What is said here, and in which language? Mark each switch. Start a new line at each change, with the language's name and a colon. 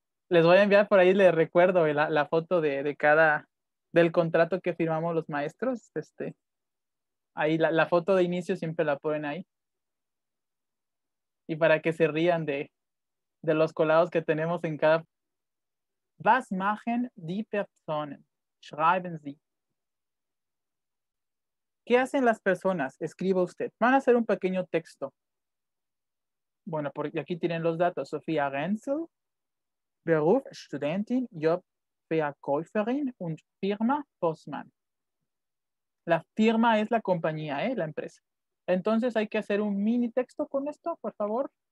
Spanish: Les voy a enviar por ahí, les recuerdo la foto del contrato que firmamos los maestros. Ahí la foto de inicio siempre la ponen ahí. Y para que se rían de los colados que tenemos en cada.
German: Was machen die Personen? Schreiben Sie.
Spanish: ¿Qué hacen las personas? Escriba usted. Van a hacer un pequeño texto. Bueno, porque aquí tienen los datos.
German: Sofía Renzel, Beruf, Studentin, Job, Verkäuferin und Firma, Postmann.
Spanish: La firma es la compañía, la empresa. Entonces hay que hacer un mini texto con esto, por favor.